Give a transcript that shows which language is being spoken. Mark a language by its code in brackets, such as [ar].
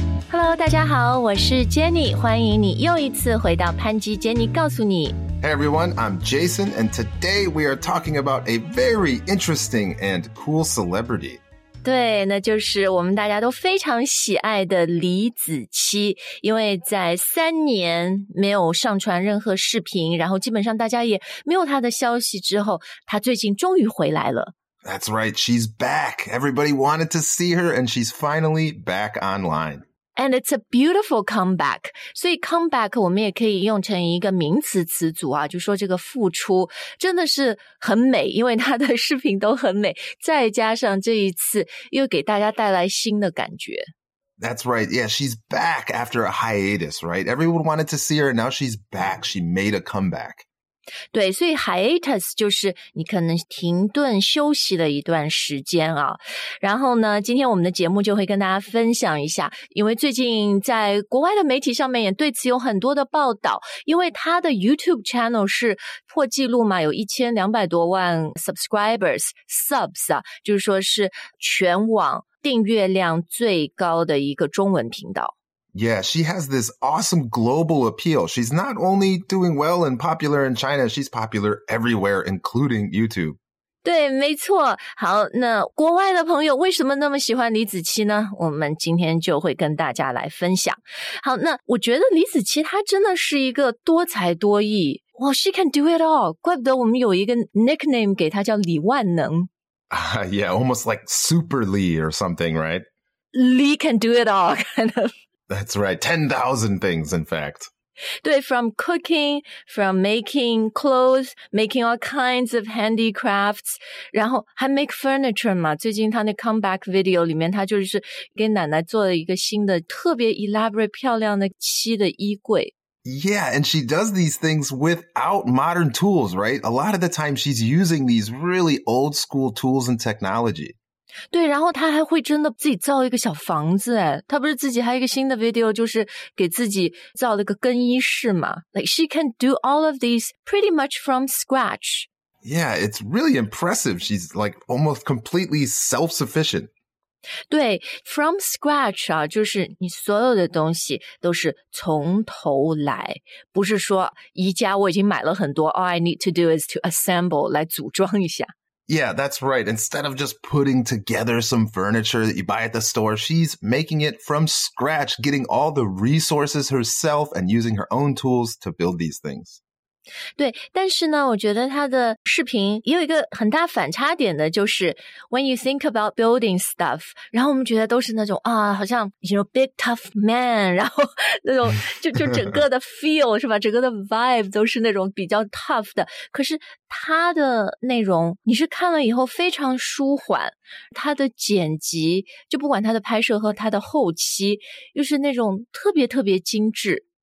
[zh] Hello， 大家好，我是 Jenny， 欢迎你又一次回到潘基 Jenny 告诉你。 [en] Hey everyone, I'm Jason, and today we are talking about a very interesting and cool celebrity. [zh] 对，那就是我们大家都非常喜爱的李子柒，因为在三年没有上传任何视频，然后基本上大家也没有她的消息之后，她最近终于回来了。 [en] That's right, she's back. Everybody wanted to see her, and she's finally back online. And it's a beautiful comeback. [zh] 所以 comeback 我们也可以用成一个名词词组啊，就说这个复出真的是很美，因为她的视频都很美，再加上这一次又给大家带来新的感觉。 [en] That's right. Yeah, she's back after a hiatus, right? Everyone wanted to see her, and now she's back. She made a comeback. [zh] 对，所以 hiatus 就是你可能停顿休息了一段时间啊。然后呢，今天我们的节目就会跟大家分享一下，因为最近在国外的媒体上面也对此有很多的报道，因为他的 YouTube channel 是破纪录嘛，有1200多万 subs 啊，就是说是全网订阅量最高的一个中文频道。 [en] Yeah, she has this awesome global appeal. She's not only doing well and popular in China, she's popular everywhere, including YouTube. [zh] 对，没错。好，那国外的朋友为什么那么喜欢李子柒呢？我们今天就会跟大家来分享。好，那我觉得李子柒她真的是一个多才多艺。 [en] Well, she can do it all. [zh] 怪不得我们有一个 nickname 给她叫李万能。 [en] Yeah, almost like Super Lee or something, right? Lee can do it all, kind of. That's right. 10,000 things, in fact. 对, from cooking, from making clothes, making all kinds of handicrafts, [zh] 然后还 [en] make furniture 嘛。 [zh] 最近他那 comeback video 里面他就是给奶奶做了一个新的特别 elaborate 漂亮的漆的衣柜。 [en] Yeah, and she does these things without modern tools, right? A lot of the time she's using these really old school tools and technology. [zh] 对，然后他还会真的自己造一个小房子，哎，他不是自己还有一个新的 video 就是给自己造了个更衣室嘛。 [en] Like, she can do all of these pretty much from scratch. Yeah, it's really impressive. She's like almost completely self-sufficient. [zh] 对， from scratch 啊，就是你所有的东西都是从头来，不是说宜家我已经买了很多， [en] all I need to do is to assemble, [zh] 来组装一下。 [en] Yeah, that's right. Instead of just putting together some furniture that you buy at the store, she's making it from scratch, getting all the resources herself and using her own tools to build these things. [zh] 对，但是呢，我觉得她的视频也有一个很大反差点的，就是 [en] when you think about building stuff, [zh] 然后我们觉得都是那种啊，好像 [en] you know, big tough man, [zh] 然后那种就整个的 feel 是吧，整个的 vibe 都是那种比较 tough 的，可是他的内容你是看了以后非常舒缓，他的剪辑就不管他的拍摄和他的后期又是那种特别特别精致。